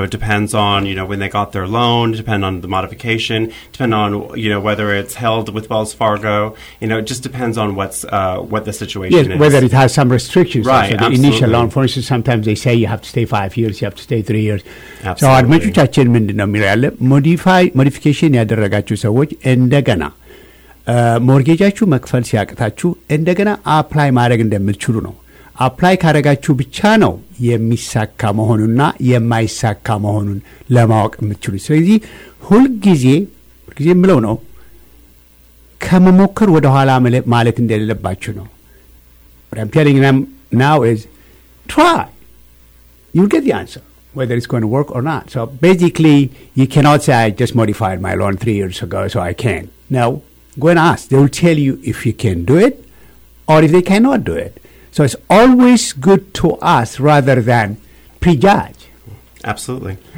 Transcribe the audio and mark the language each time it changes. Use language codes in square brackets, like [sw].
[en] So it depends on, you know, when they got their loan, depend on the modification, depend on, you know, whether it's held with Wells Fargo. You know, it just depends on what the situation yes, is. Whether it has some restrictions. Right, so the absolutely. Initial loan, for instance, sometimes they say you have to stay 5 years, you have to stay 3 years. Absolutely. [am] So አድማጮች አችን ምንድነው ሚላለ modification ያደረጋችሁ ሰዎች እንደገና ሞርጌጃችሁ መክፈል ሲያቅታችሁ እንደገና አፕላይ ማድረግ እንደምትችሉ ነው አፕላይ ካደረጋችሁ ብቻ ነው የሚሳካ መሆኑና የማይሳካ መሆኑን ለማወቅ የምትችሉት ስለዚህ ሁልጊዜ ምለው ነው ከመሞከር ወደ ኋላ ማለት እንደሌለባችሁ ነው [en] what I'm telling them now is try you'll get the answer whether it's going to work or not. So basically, you cannot say, I just modified my loan 3 years ago, so I can't. No, go and ask. They will tell you if you can do it or if they cannot do it. So it's always good to ask rather than prejudge. Absolutely.